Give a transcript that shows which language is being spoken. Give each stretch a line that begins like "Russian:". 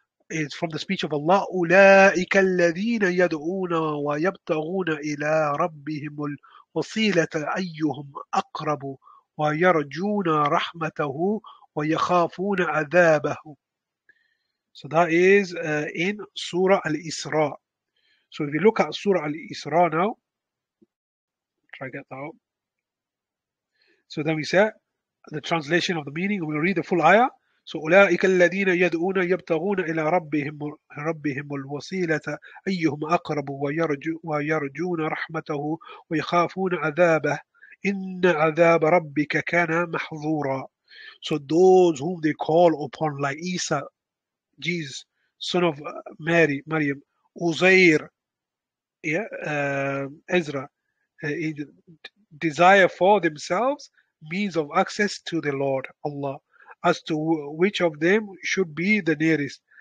English: It's from the speech of Allah,
Arabic: أُولَٰئِكَ الَّذِينَ يَدْعُونَ وَيَبْتَغُونَ إِلَىٰ رَبِّهِمُ الْوَصِيلَةَ أَيُّهُمْ أَقْرَبُ وَيَرْجُونَ رَحْمَتَهُ وَيَخَافُونَ عَذَابَهُ.
English: So that is in Surah Al-Isra. So if you look at Surah Al-Isra now, try to get that out. So then we say the translation of the meaning, we'll read the full ayah.
Arabic: So أولئك الذين يدعون يبتغون إلى ربهم الوسيلة أيهم أقرب ويرجون رحمته ويخافون عذابه إن عذاب ربك كان محظورا.
English: So those whom they call upon, like Isa, Jesus, son of Mary, Maryam, Uzair, Ezra, desire for themselves means of access to the Lord Allah, as to which of them should be the nearest.